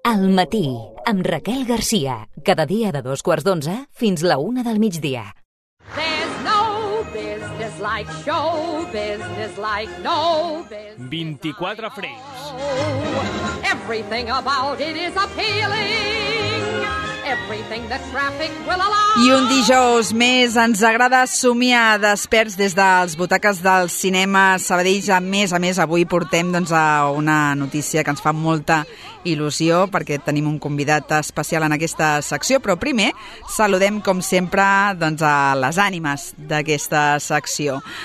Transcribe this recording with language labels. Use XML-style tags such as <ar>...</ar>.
<ca>Al matí, amb Raquel García. Cada dia de 2:15 fins la 1 del migdia.</ca> <en>There's no business like show business like no business. 24 frames. Everything about it is appealing. Everything the traffic will allow.</en> <ca>I un dijous més ens agrada somiar desperts des dels butaques del cinema Sabadell. A més, avui portem doncs, a una notícia que ens fa molta il·lusió perquè tenim un convidat especial en aquesta secció, però primer saludem, com sempre, doncs, a les ànimes d'aquesta secció.</ca>